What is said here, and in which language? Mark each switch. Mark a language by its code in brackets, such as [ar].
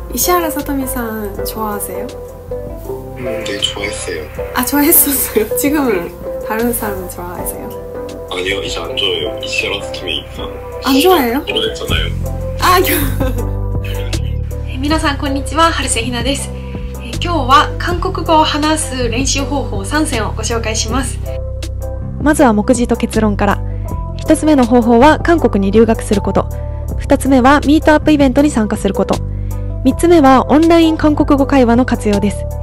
[ko] 石原さとみさん좋아하세요 네좋아했어요 아좋아했었어요지금은다른사람좋아하세요 아니요이제안좋아해요石原さとみさんあ、좋아해요 [ja] これじゃないよあ、今日皆さんこんにちは、春瀬ひなです。今日は韓国語を話す練習方法3選をご紹介します。まずは目次と結論から。1つ目の方法は韓国に留学すること、2つ目はミートアップイベントに参加すること、3つ目はオンライン韓国語会話の活用です。